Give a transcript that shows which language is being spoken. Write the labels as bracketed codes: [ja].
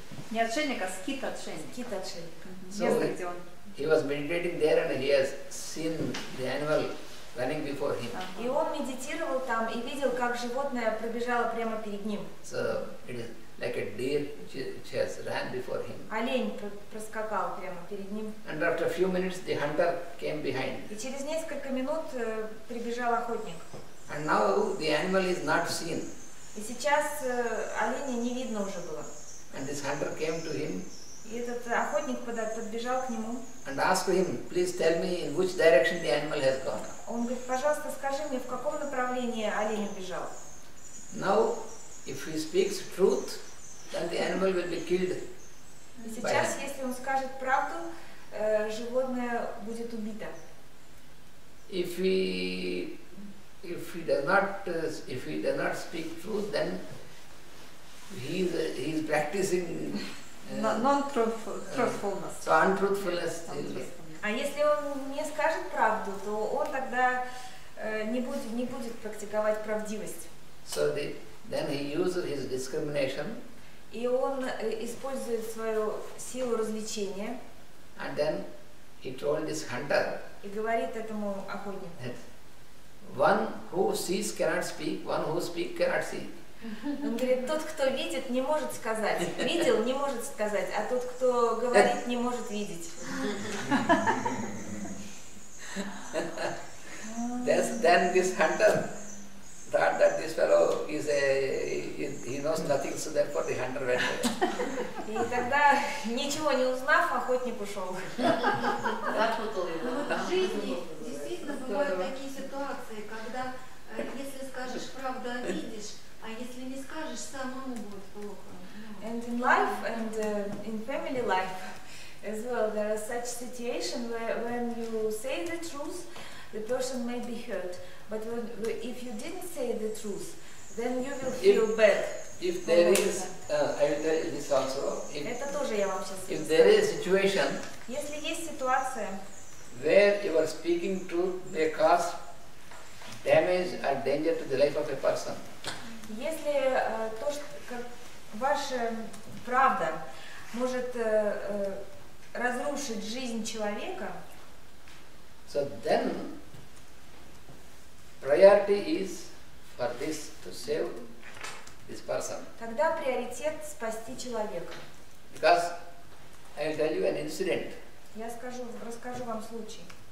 [ru] Не отшельник, а скит отшельник. [en] He was meditating there and he has seen the animal running before him. [ru] И он медитировал там и видел, как животное пробежало прямо перед ним. [en] So it is like a deer which has ran before him. [ru] Олень проскакал прямо перед ним. [en] And after a few minutes the hunter came behind. [ru] И через несколько минут прибежал охотник. [en] And now the animal is not seen. [ru] И сейчас оленя не видно уже было. [en] And this hunter came to him. [ru] И этот охотник подбежал к нему. [en] And asked him, please tell me in which direction the animal has gone. [ru] Он говорит, пожалуйста, скажи мне, в каком направлении олень убежал. [en] Now, if he speaks truth, then the animal will be killed Сейчас, если он скажет правду, животное будет убито. If he does not speak truth, then he is practicing non-truthfulness. So untruthfulness. [ru] А если он не скажет правду, то он тогда не будет практиковать правдивость. [en] So then he uses his discrimination. [ru] И он использует свою силу развлечения. [en] And then he told this hunter. [ru] И говорит этому охотнику. [en] One who sees cannot speak, one who speaks cannot see. [ru] Он говорит, тот, кто видит, не может сказать. Видел, не может сказать. А тот, кто говорит, не может видеть. [en] Then this hunter thought that this fellow he knows nothing, so therefore the hunter went away. [ru] И тогда, ничего не узнав, охотник ушел. Бывают такие ситуации, когда если скажешь правду, обидишь, а если не скажешь, самому будет плохо. [en] And in life and in family life as well, there are such situations where when you say the truth, the person may be hurt. But if you didn't say the truth, then you will feel bad. If there is, I will tell you this also. [ru] Это тоже я вам сейчас. [en] If there is a situation. [ru] Если есть ситуация. [en] Where you are speaking truth may cause damage or danger to the life of a person. [ru] Если то, что как ваша правда может разрушить жизнь человека. [en] So then priority is for this to save this person. [ru] Тогда приоритет спасти человека. [en] Because I will tell you an incident. [ru] Я скажу, расскажу вам случай.